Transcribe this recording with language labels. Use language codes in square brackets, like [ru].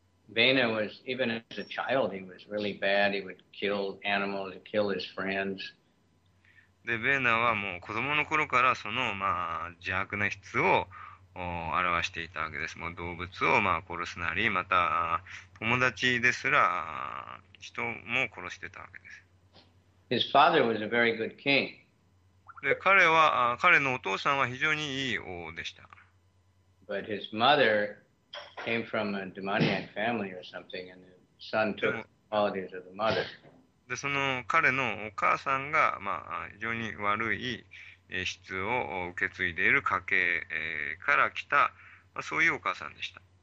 [en] Vena was, even as a child, he was really bad. He would kill animals, kill his friends. [ja] で、ウェーナはもう子供の頃からその、まあ、邪悪な質を表していたわけです。もう動物を、まあ、殺すなり、また友達ですら人も殺してたわけ [en] His father was a very good king. [ja] です。で、彼のお父さんは非常にいい王でした。 [en] But his mother came from a demoniac family or something, and the son [ja] で [en] took [ja] も、 [en] qualities of the mother. [ja] で、その彼のお母さんが、まあ、非常に悪い質を受け継いでいる家系から来た、まあ、そういうお母さんでした。